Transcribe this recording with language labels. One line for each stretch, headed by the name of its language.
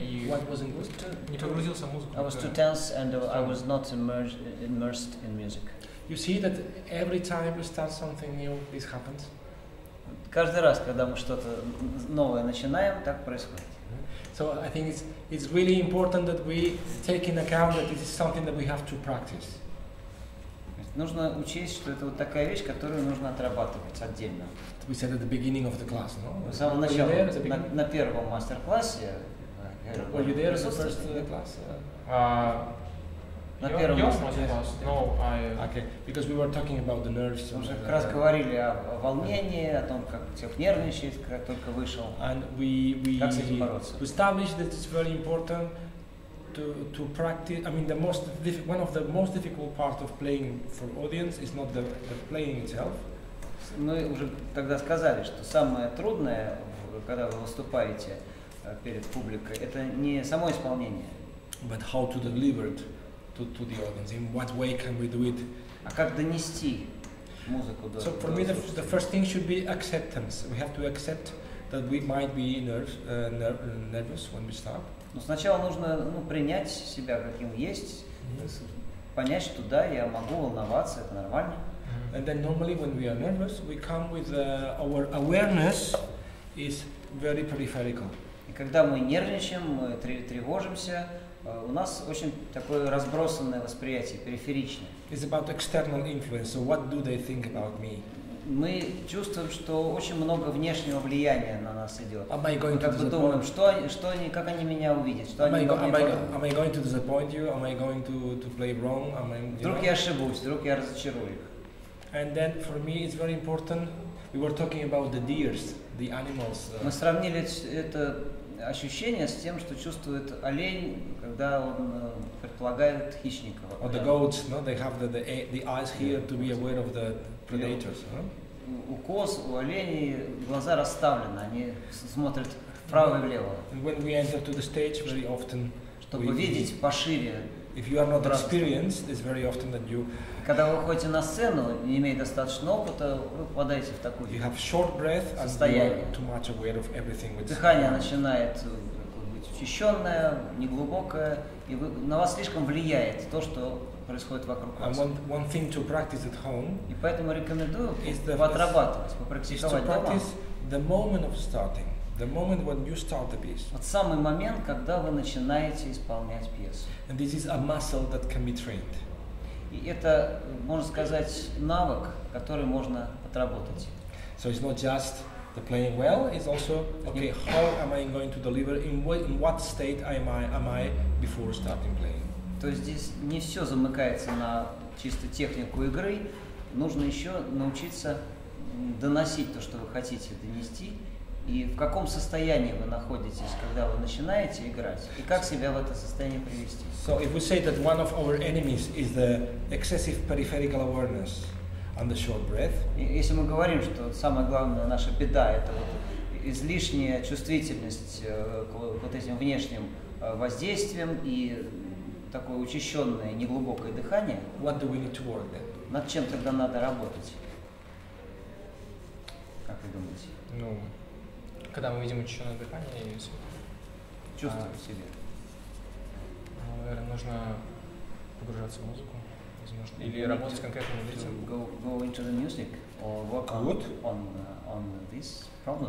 English: I was too tense and I was not immersed in music. You see that every time we start something new, this happens?
Russian: Каждый раз, когда мы что-то новое начинаем, так происходит.
English: So I think it's really important that we take in account that this is something that we have to practice.
Russian: Нужно учесть, что это вот такая вещь, которую нужно отрабатывать отдельно.
English: We said at the beginning of the class, no?
Russian: В самом начале, на первом мастер-классе.
English: Were you there in the first class?
Russian: На первом мастер-классе.
English: No, I... Okay, because we were talking about the nerves.
Russian: Мы уже как раз говорили о волнении, о том, как человек нервничает, как только вышел.
English: And we
Russian: как с этим бороться?
English: We established that it's very important to practice. I mean, one of the most difficult parts of playing for audience is not the playing itself.
Russian: Мы уже тогда сказали, что самое трудное, когда вы выступаете перед публикой, это не само исполнение.
English: But how to deliver it to the audience? In what way can we do it?
Russian: А как донести музыку до?
English: So for me, the first thing should be acceptance. We have to accept that we might be nervous when we start.
Russian: Но сначала нужно принять себя, каким есть, понять, что да, я могу волноваться, это нормально.
English: And then normally when we are nervous, we come with our awareness is very peripheral.
Russian: И когда мы нервничаем, мы тревожимся, у нас очень такое разбросанное восприятие, периферичное.
English: It's about external influence, so what do they think about me?
Russian: Мы чувствуем, что очень много внешнего влияния на нас идет.
English: Am I going
Russian: мы как бы думаем, что они, как они меня увидят, что они
English: going to disappoint you? Am I going to play wrong? Am I,
Russian: вдруг я ошибусь, вдруг я разочарую их.
English: And then for me it's very important. We were talking about the deers, the animals. Мы сравнили это ощущение с тем, что чувствует олень, когда он предполагает хищника. Or the goats, no? They have the eyes here to be aware of the predators.
Russian: У коз, у оленей глаза расставлены, они смотрят вправо и влево.
English: And when we enter to the stage, very often,
Russian: чтобы видеть пошире.
English: If you are not experienced, it's very often that you.
Russian: Когда вы выходите на сцену, не имея достаточно опыта, вы попадаете в такую.
English: You have short breath and you are too much aware of everything.
Russian: Дыхание начинает быть учащенное, неглубокое, и на вас слишком влияет то, что происходит вокруг вас.
English: One thing to practice at home.
Russian: И поэтому рекомендую поотрабатывать, попрактиковать дома.
English: To practice the moment of starting. The moment when you start the piece.
Russian: Вот самый момент, когда вы начинаете исполнять пьесу.
English: And this is a muscle that can be trained.
Russian: И это, можно сказать, навык, который можно отработать.
English: So it's not just the playing well, it's also okay, how am I going to deliver, in what state am I before starting playing.
Russian: То есть здесь не все замыкается на чисто технику игры, нужно еще научиться доносить то, что вы хотите донести. И в каком состоянии вы находитесь, когда вы начинаете играть, и как себя в это состояние привести?
English: So if we say that one of our enemies is the excessive peripheral awareness and the short breath.
Russian: Если мы говорим, что самая главная наша беда это вот излишняя чувствительность к вот этим внешним воздействиям и такое учащенное неглубокое дыхание.
English: What do we need to work then?
Russian: Над чем тогда надо работать? Как вы думаете?
English: No.
Russian: Когда мы видим учащенное дыхание и все. Чувствуем себе. Наверное, нужно погружаться в музыку, возможно. Или работать с конкретным ритмом.
English: Go into the music or work on this problem.